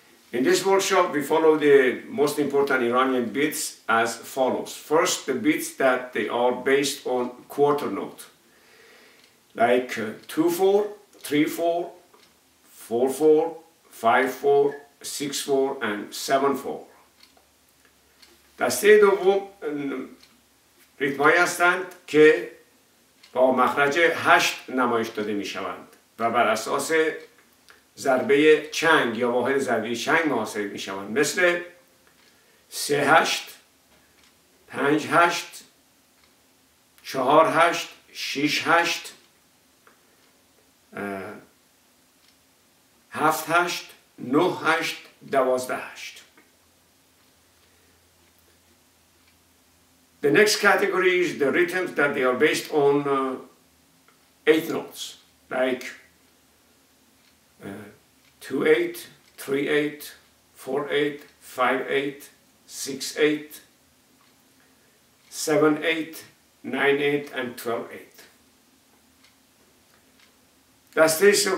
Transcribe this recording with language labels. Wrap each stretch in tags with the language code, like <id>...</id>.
<en>In this workshop, we follow the most important Iranian beats as follows. First, the beats that they are based on quarter note, like 2-4, 3-4, 4-4, 5-4, 6-4, and 7-4.</en> <fa>دسته دوم ریتم‌هایی هستند که با مخرج 8 نمایش داده می شوند و بر اساس ضربه چنگ یا واحد ضربه چنگ محاسبه می شوند، مثل 3-8, 5-8, 4-8, 6-8, 7-8, 9-8, 12-8.</fa> <en>The next category is the rhythms that they are based on eighth notes, like 2-8, 3-8, 4-8, 5-8, 6-8, 7-8, 9-8 and 12-8.</en>